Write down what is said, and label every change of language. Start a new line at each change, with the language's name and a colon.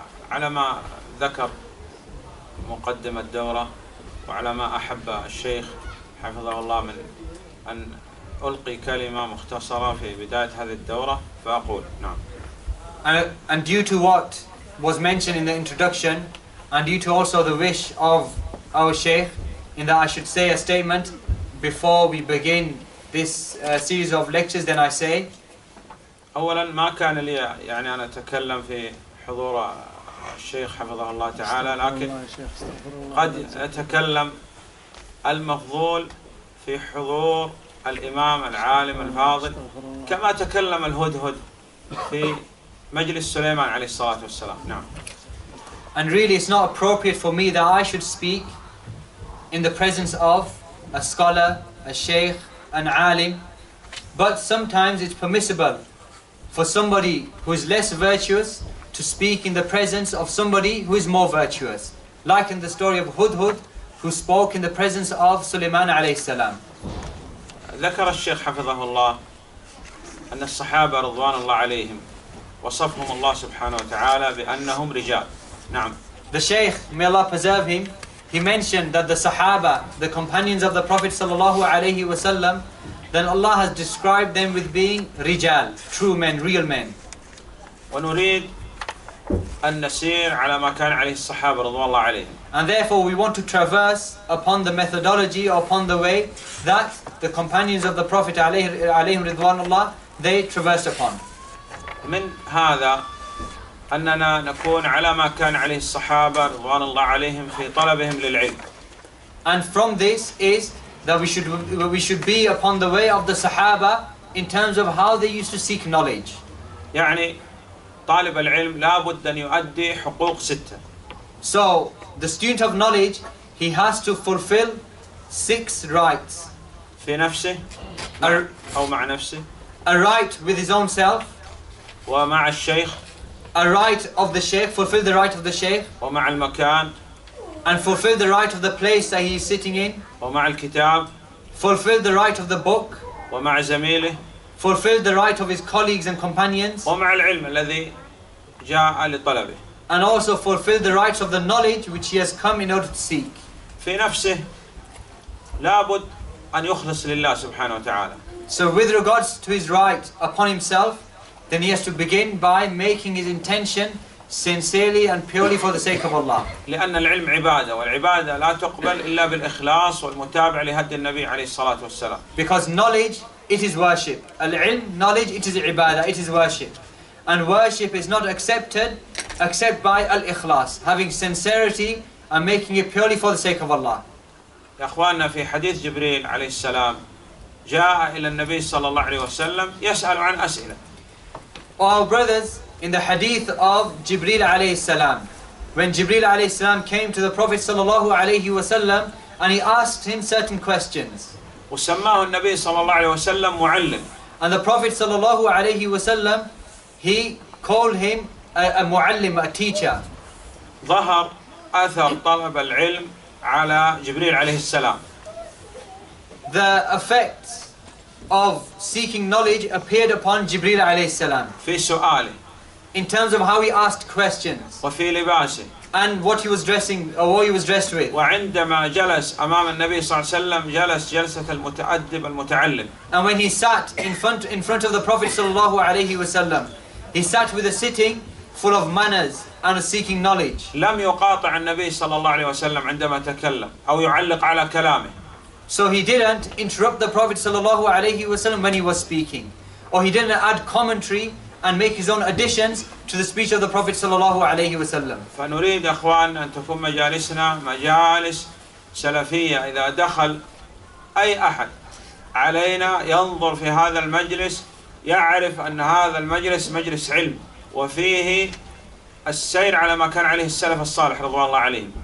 Arabic: على ما ذكر مقدم الدورة وعلى ما أحب الشيخ حفظه الله من أن ألقي كلمة مختصرة في بداية هذه الدورة فأقول نعم.
English: And due to what was mentioned in the introduction, and due to also the wish of our Sheikh, in that I should say a statement before we begin this series of lectures, then I say.
Arabic: أولا ما كان لي يعني أنا أتكلم في حضور الشيخ حفظه الله تعالى لكن قد أتكلم المفضول في حضور الإمام العالم الفاضل كما تكلم الهدهد في مجلس سليمان عليه الصلاة والسلام نعم.
English: And really it's not appropriate for me that I should speak in the presence of a scholar, a sheikh, an alim. But sometimes it's permissible for somebody who is less virtuous to speak in the presence of somebody who is more virtuous. Like in the story of Hudhud, who spoke in the presence of Sulaiman alayhi salam.
Arabic: ذكر الشيخ حفظه الله أن الصحابة رضوان الله عليهم وصفهم الله سبحانه وتعالى بأنهم رجال. نعم.
English: The Shaykh, may Allah preserve him, he mentioned that the Sahaba, the companions of the Prophet sallallahu alayhi wa sallam, then Allah has described them with being rijal, true men, real men.
Arabic: ونريد أن نسير على ما كان عليه الصحابة رضوان الله عليهم.
English: And therefore we want to traverse upon the methodology, upon the way that the companions of the Prophet alayhim
Arabic: رضوان الله,
English: they traversed upon.
Arabic: من هذا أننا نكون على ما كان عليه الصحابة رضوان الله عليهم في طلبهم للعلم.
English: And from this is that we should be upon the way of the Sahaba in terms of how they used to seek knowledge.
Arabic: يعني طالب العلم لابد أن يؤدي حقوق ستة.
English: So the student of knowledge, he has to fulfill six rights.
Arabic: في نفسه أو مع نفسه.
English: A right with his own self.
Arabic: ومع الشيخ.
English: A right of the Shaykh, fulfill the right of the Shaykh.
Arabic: ومع المكان.
English: And fulfill the right of the place that he is sitting in.
Arabic: ومع الكتاب.
English: Fulfill the right of the book.
Arabic: ومع زميله.
English: Fulfill the right of his colleagues and companions.
Arabic: ومع العلم الذي جاء لطلبه.
English: And also fulfill the rights of the knowledge which he has come in order to seek.
Arabic: في نفسه لابد أن يخلص لله سبحانه وتعالى.
English: So with regards to his right upon himself, then he has to begin by making his intention sincerely and purely for the sake of Allah.
Arabic: لأن العلم عبادة والعبادة لا تقبل إلا بالإخلاص والمتابع لهدي النبي عليه الصلاة والسلام.
English: Because knowledge, it is worship. العلم, knowledge, it is ibadah, it is worship. And worship is not accepted except by al-ikhlas, having sincerity and making it purely for the sake of Allah.
Arabic: يا أخواننا في حديث جبريل عليه السلام جاء إلى النبي صلى الله عليه وسلم يسأل عن أسئلة.
English: Our brothers, in the hadith of Jibreel alayhi salam, when Jibreel alayhi salam came to the Prophet sallallahu alayhi wa sallam and he asked him certain questions.
Arabic: وسماه النبي صلى الله عليه وسلم معلم.
English: And the Prophet sallallahu alayhi wa sallam, he called him a معلم, a teacher.
Arabic: ظهر أثر طلب العلم على جبريل عليه السلام.
English: The effect of seeking knowledge appeared upon Jibreel alayhi salam.
Arabic: في سؤاله.
English: In terms of how he asked questions.
Arabic: وفي لباسه.
English: And what he was dressing, or what he was dressed with.
Arabic: وعندما جلس أمام النبي صلى الله عليه وسلم جلس جلسة المتأدب المتعلم.
English: And when he sat in front of the Prophet
Arabic: صلى الله عليه وسلم,
English: he sat with a sitting full of manners and seeking knowledge.
Arabic: لم يقاطع النبي صلى الله عليه وسلم عندما تكلم أو يعلق على كلامه.
English: So he didn't interrupt the Prophet sallallahu alayhi wa sallam when he was speaking. Or he didn't add commentary and make his own additions to the speech of the Prophet sallallahu alayhi wa sallam.
Arabic: فنريد أخوان أن تكون مجالسنا مجالس سلفية إذا دخل أي أحد علينا ينظر في هذا المجلس يعرف أن هذا المجلس مجلس علم وفيه السير على ما كان عليه السلف الصالح رضوان الله عليهم.